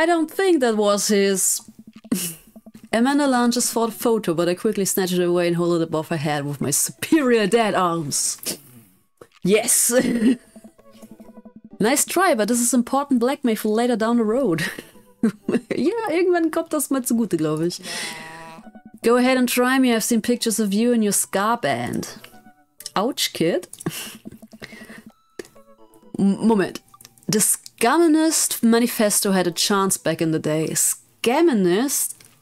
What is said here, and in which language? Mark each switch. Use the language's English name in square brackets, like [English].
[English] I don't think that was his. Amanda lunges for the photo, but I quickly snatch it away and hold it above her head with my superior dad arms. Yes. Nice try, but this is important blackmail for later down the road. [German] Yeah, irgendwann kommt das mal zugute, glaube ich. [English] Go ahead and try me. I've seen pictures of you and your scar band. Ouch, kid. Moment. The Scammonist Manifesto had a chance back in the day. Scammonist?